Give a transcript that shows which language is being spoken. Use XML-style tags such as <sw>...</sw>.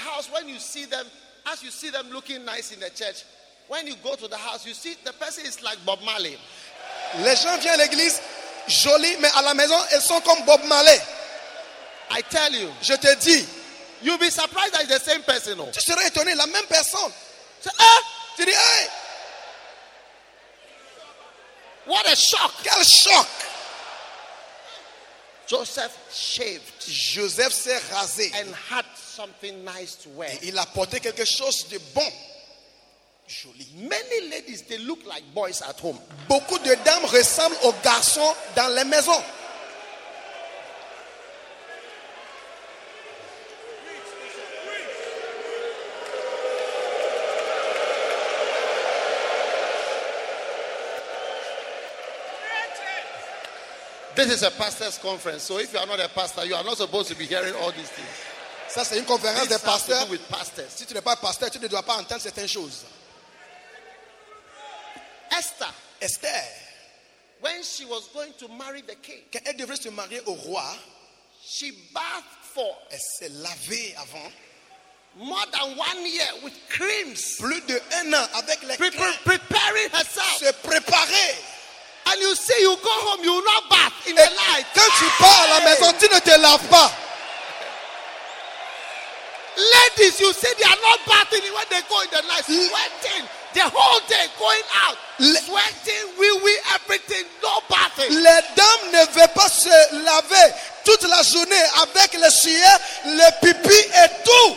<en>When you see them, as you see them looking nice in the church, when you go to the house, you see the person is like Bob Marley.</en> <fr>Les gens viennent à l'église jolis, mais à la maison, elles sont comme Bob Marley.</fr> <en>I tell you.</en> <fr>Je te dis.</fr> <en>You'll be surprised that it's the same person.</en> <fr>Tu seras étonné, la même personne. Tu dis, hey!</fr> <en>What a shock!</en> <fr>Quel choc!</fr> <en>Joseph shaved.</en> <fr>Joseph s'est rasé.</fr> <en>And had something nice to wear.</en> <fr>Et il a porté quelque chose de bon. Joli.</fr> <en>Many ladies, they look like boys at home.</en> <fr>Beaucoup de dames ressemblent aux garçons dans les maisons.</fr> <en>This is a pastor's conference. So if you are not a pastor, you are not supposed to be hearing all these things.</en> <fr>Ça c'est une conférence des pasteurs.</fr> <en>With pastors.</en> <fr>Si tu n'es pas pasteur, tu ne dois pas entendre certaines choses.</fr> <en>Esther, when she was going to marry the king,</en> <fr>quand elle devait se marier au roi,</fr> <en>she bathed for.</en> <fr>Elle s'est lavée avant.</fr> <en>More than 1 year with creams.</en> <fr>Plus de un an avec les crèmes.</fr> <en>Preparing herself.</en> <fr>Se préparer.</fr> <en>And you say you go home, you will not bath in the light.</en> <fr>Quand tu pars à la maison, tu ne te laves pas.</fr> <en>Ladies, you see, they are not bathing when they go in the night, sweating the whole day, going out, sweating, wee-wee, everything, no bathing.</en> <fr>Les dames ne veulent pas se laver toute la journée avec les sueurs, le pipi et tout.</fr>